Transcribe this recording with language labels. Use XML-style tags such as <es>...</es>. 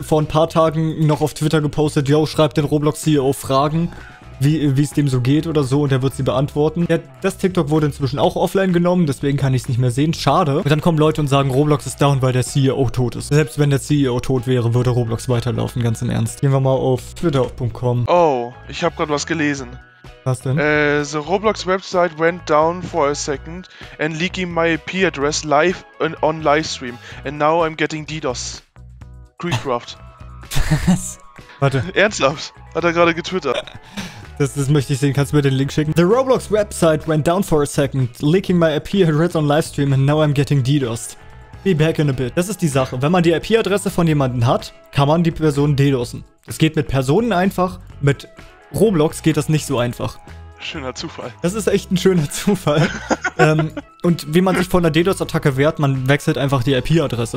<de>Vor ein paar Tagen noch auf Twitter gepostet, yo, schreibt den Roblox-CEO Fragen, wie es dem so geht oder so, und er wird sie beantworten. Ja, das TikTok wurde inzwischen auch offline genommen, deswegen kann ich es nicht mehr sehen. Schade. Und dann kommen Leute und sagen, Roblox ist down, weil der CEO tot ist. Selbst wenn der CEO tot wäre, würde Roblox weiterlaufen, ganz im Ernst. Gehen wir mal auf twitter.com. Oh, ich habe gerade was gelesen. Was denn?</de> <en>The Roblox website went down for a second and leaking my IP address live on livestream. And now I'm getting DDoS. Creecraft.</en> <de>Was? Warte. Ernsthaft? Hat er gerade getwittert? Das möchte ich sehen. Kannst du mir den Link schicken?</de> <en>The Roblox website went down for a second, leaking my IP address on livestream and now I'm getting DDoSed. Be back in a bit.</en> <de>Das ist die Sache. Wenn man die IP-Adresse von jemandem hat, kann man die Person DDoSen. Das geht mit Personen einfach, mit Roblox geht das nicht so einfach. Schöner Zufall. Das ist echt ein schöner Zufall. und wie man sich vor einer DDoS-Attacke wehrt, man wechselt einfach die IP-Adresse.</de>